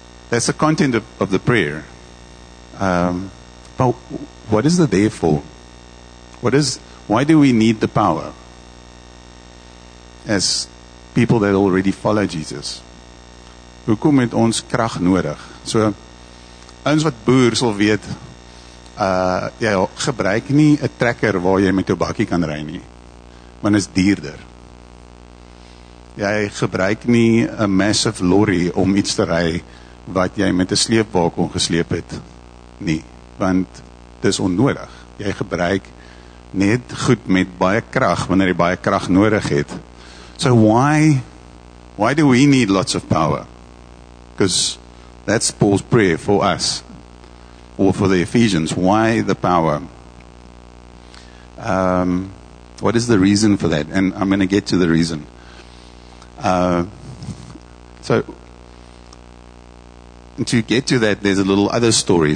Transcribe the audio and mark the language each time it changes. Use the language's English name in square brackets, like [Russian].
[English] That's the content of the prayer. But what is the therefore? Why do we need the power as people that already follow Jesus? [Afrikaans] Hoekom het ons krag nodig? So, ons wat boer sal weet, jy gebruik nie 'n trekker waar jy met jou bakkie kan ry nie, want is duurder. Jy gebruik nie 'n massive lorry om iets te ry wat jy met 'n sleepwaak kon gesleep het nie, want dis onnodig. Jy gebruik net goed met baie krag wanneer jy baie krag nodig het. [English] So why do we need lots of power? Because that's Paul's prayer for us, or for the Ephesians. Why the power? What is the reason for that? And I'm going to get to the reason. So to get to that, there's a little other story.